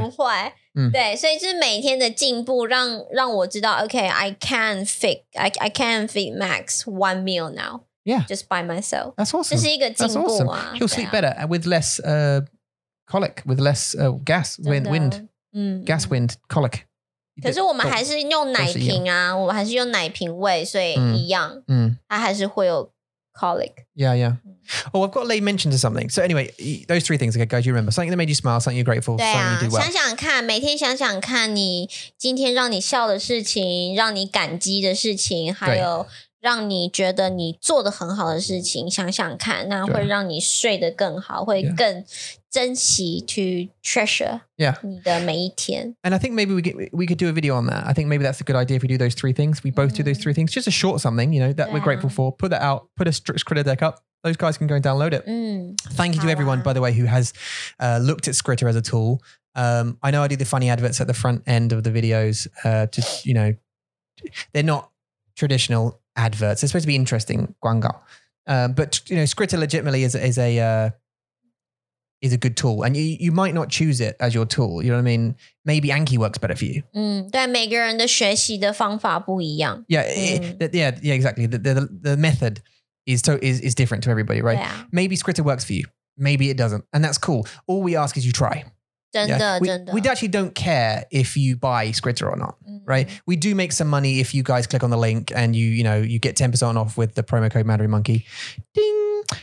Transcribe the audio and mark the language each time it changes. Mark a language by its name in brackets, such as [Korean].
[Chinese] 不会。对,所以就是每天的进步让我知道, [English] okay, I can feed Max one meal now. Yeah. Just by myself. That's awesome. [Chinese] 这是一个进步啊。 [English] That's awesome. He'll sleep better and with less colic, with less gas, wind. Gas, wind, colic. [Chinese] 可是我们还是用奶瓶啊，我们还是用奶瓶喂，所以一样，它还是会有 colic. [English] Yeah, yeah. Oh, I've got late mention to something. So anyway, those three things, okay, guys, you remember. Something that made you smile, something you're grateful, something you did well. [Chinese] 想想看，每天想想看你今天让你笑的事情，让你感激的事情，还有让你觉得你做得很好的事情，想想看，那会让你睡得更好，会更珍惜 [English] to treasure [Chinese] 你的每一天。 [English] And I think maybe we could do a video on that. I think maybe that's a good idea if we do those three things. We both do those three things. Just a short something, you know, that we're grateful for. Put that out, put a Skritter deck up. Those guys can go and download it. Thank you to everyone, by the way, who has looked at Skritter as a tool. I know I do the funny adverts at the front end of the videos to, you know, they're not traditional. Adverts. They're supposed to be interesting, Guangao. But you know, Skritter legitimately is a good tool, and you might not choose it as your tool. You know what I mean? Maybe Anki works better for you. [Chinese] 对，每个人的学习的方法不一样。 [English] Exactly. The method is different to everybody, right? Yeah. Maybe Skritter works for you. Maybe it doesn't, and that's cool. All we ask is you try. [Chinese] 真的, yeah. 真的。 [English] We actually don't care if you buy Skritter or not, mm-hmm. right? We do make some money if you guys click on the link and you get 10% off with the promo code Mandarin Monkey. Ding!